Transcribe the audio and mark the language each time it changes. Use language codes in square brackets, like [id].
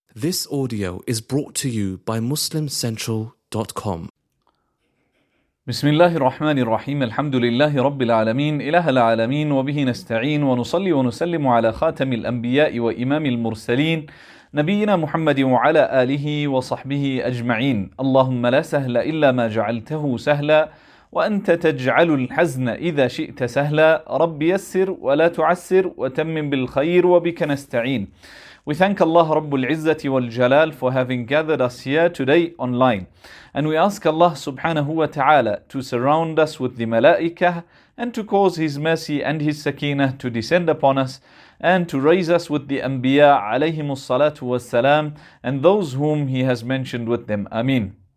[en] This audio is brought to you by MuslimCentral.com. [ar] بسم الله الرحمن الرحيم الحمد لله رب العالمين إله العالمين وبه نستعين ونصلي ونسلم على خاتم الأنبياء وإمام المرسلين نبينا محمد وعلى آله وصحبه أجمعين. اللهم لا سهل إلا ما جعلته سهلا وأنت تجعل الحزن إذا شئت سهلا رب يسر ولا تعسر وتمم بالخير وبك نستعين. [en] We thank Allah Rabbul Izzati wal Jalal for having gathered us here today online. And we ask Allah subhanahu wa ta'ala to surround us with the malaikah and to cause His mercy and His sakinah to descend upon us and to raise us with the anbiya alayhimus salatu was salam and those whom He has mentioned with them. Ameen.